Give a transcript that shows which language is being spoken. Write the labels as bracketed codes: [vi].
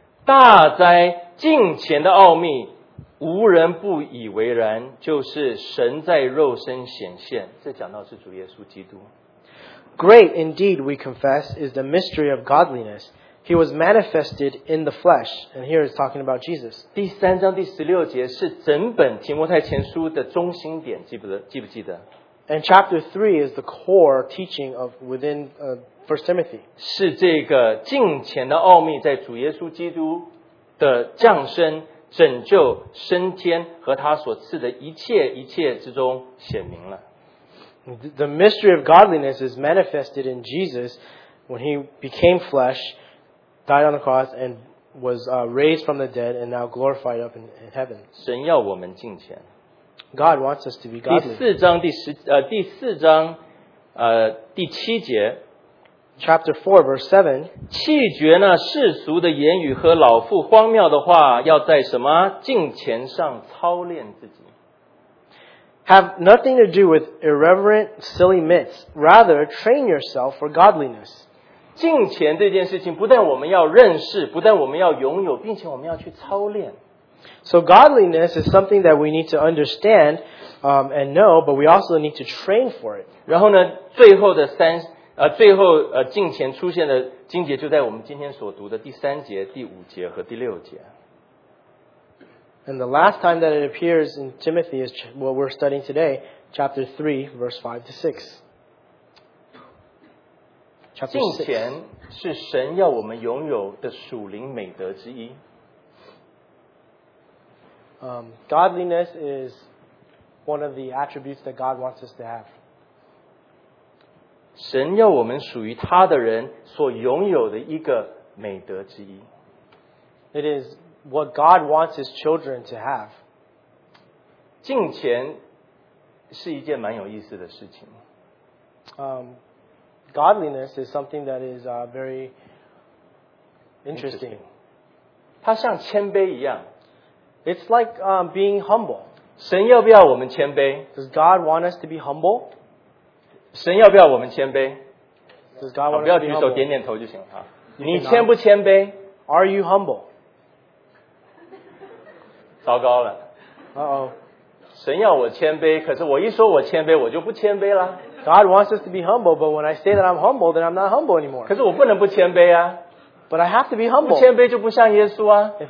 [zh] 大哉敬虔的奥秘，无人不以为然，就是神在肉身显现。这讲到是主耶稣基督。 [en] Great indeed, we confess, is the mystery of godliness. He was manifested in the flesh, and here is talking about Jesus. [zh] 第三章第十六节是整本提摩太前书的中心点，记不记得？ [en] And chapter 3 is the core teaching of within 1 Timothy. [zh] 是这个敬虔的奥秘在主耶稣基督的降生、拯救、升天和他所赐的一切一切之中显明了。 [en] The mystery of godliness is manifested in Jesus when he became flesh. Died on the cross and was raised from the dead and now glorified up in heaven. [zh] 神要我们敬虔。 [en] God wants us to be godly. [zh] 第四章第七节。 [en] Chapter 4, verse 7. [zh] 弃绝那世俗的言语和老父荒谬的话，要在什么？敬虔上操练自己。 [en] Have nothing to do with irreverent, silly myths. Rather, train yourself for godliness. [zh] 敬虔这件事情，不但我们要认识，不但我们要拥有，并且我们要去操练。 [en] So godliness is something that we need to understand, and know, but we also need to train for it. [zh] 然后呢，最后的三最后敬虔出现的经节就在我们今天所读的第三节、第五节和第六节。 [en] And the last time that it appears in Timothy is what we're studying today, chapter 3, verse 5 to 6. [zh] 敬虔是神要我们拥有的属灵美德之一。 [en] Godliness is one of the attributes that God wants us to have. [zh] 神要我们属于他的人所拥有的一个美德之一。 [en] It is what God wants his children to have. [zh] 敬虔是一件蛮有意思的事情。 [en] godliness is something that is very interesting. [zh] 它像谦卑一样, [en] it's like being humble. [zh] 神要不要我们谦卑? [en] Does God want us to be humble? [zh] 神要不要我们谦卑? [en] Does God want us to be humble? [zh] 不要举手点点头就行了。你谦不谦卑? [en] Are you humble? [zh] 糟糕了。 [en] Uh-oh. [zh] 神要我谦卑,可是我一说我谦卑,我就不谦卑了。 [en] God wants us to be humble, but when I say that I'm humble, then I'm not humble anymore. [zh] 可是我不能不谦卑啊。 [en] But I have to be humble. [zh] 不谦卑就不像耶稣啊。 [en] If